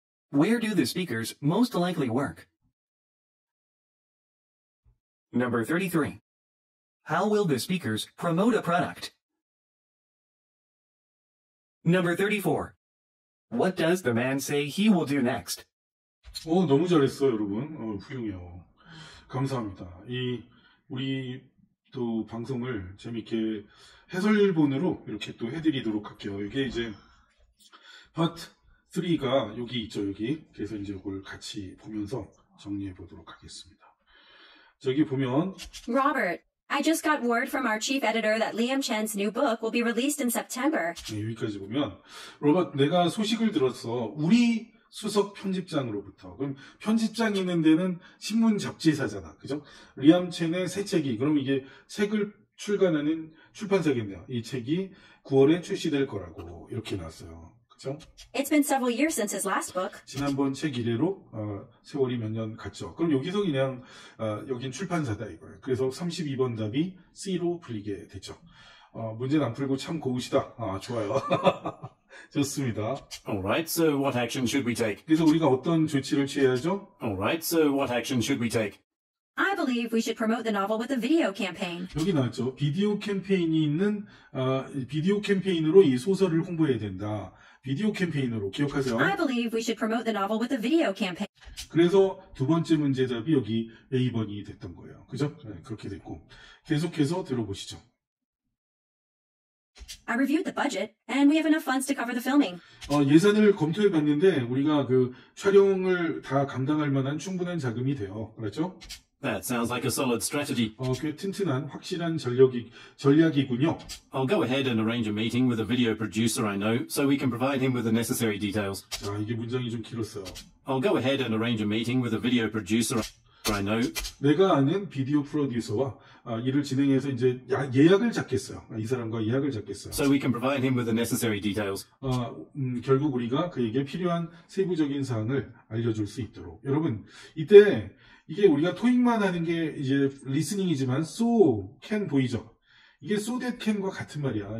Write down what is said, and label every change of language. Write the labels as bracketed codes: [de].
[en] Where do the speakers most likely work? Number 33. How will the speakers promote a product? Number 34. What does the man say he will do next? [ko] 오, 너무 잘했어요, 여러분. 훌륭해요. 감사합니다. 우리 또 방송을 재밌게 해설본으로 이렇게 또 해드리도록 할게요. 이게 이제 파트 3가 여기 있죠, 여기. 그래서 이제 이걸 같이 보면서 정리해 보도록 하겠습니다. 저기 보면 [en] Robert, I just got word from our chief editor that Liam Chen's new book will be released in September. [ko] 네, 여기까지 보면 로버트, 내가 소식을 들었어. 우리 수석 편집장으로부터. 그럼 편집장 있는 데는 신문 잡지사잖아. 그죠? 리암 첸의 새 책이, 그럼 이게 책을 출간하는 출판사겠네요. 이 책이 9월에 출시될 거라고 이렇게 나왔어요. [en] It's been several years since his last book. [ko] 지난번 책 이래로 세월이 몇 년 갔죠. 그럼 여기서 그냥 여긴 출판사다 이거예요. 그래서 32번 답이 C로 풀리게 됐죠. 문제는 안 풀고 참 고우시다. 좋아요. 좋습니다. [en] Alright, so what action should we take? [ko] 그래서 우리가 어떤 조치를 취해야죠? [en] Alright, so what action should we take? I believe we should promote the novel with a video campaign. [ko] 여기 나왔죠. 비디오 캠페인이 있는 비디오 캠페인으로 이 소설을 홍보해야 된다. 비디오 캠페인으로 기억하세요. [en] I believe we should promote the novel with a video campaign. [ko] 그래서 두 번째 문제 답이 여기 A번이 됐던 거예요. 그죠? 네, 그렇게 됐고. 계속해서 들어보시죠. [en] I reviewed the budget, and we have enough funds to cover the filming. [ko] 예산을 검토해 봤는데 우리가 그 촬영을 다 감당할 만한 충분한 자금이 돼요. 그렇죠? [en] That sounds like a solid strategy. [ko] 꽤 튼튼한 확실한 전략이군요. [en] I'll go ahead and arrange a meeting with a video producer I know, so we can provide him with the necessary details. [ko] 자, 이게 문장이 좀 길었어요. [en] I'll go ahead and arrange a meeting with a video producer. I know. [ko] 내가 아는 비디오 프로듀서와 일을 진행해서 이제 예약을 잡겠어요. 이 사람과 예약을 잡겠어요. [en] So we can provide him with the necessary details. [ko] 결국 우리가 그에게 필요한 세부적인 사항을 알려줄 수 있도록. 여러분, 이때 이게 우리가 토익만 하는 게 이제 리스닝이지만 [en] so can [ko] 보이죠? 이게 [en] so that can [ko] 과 같은 말이야.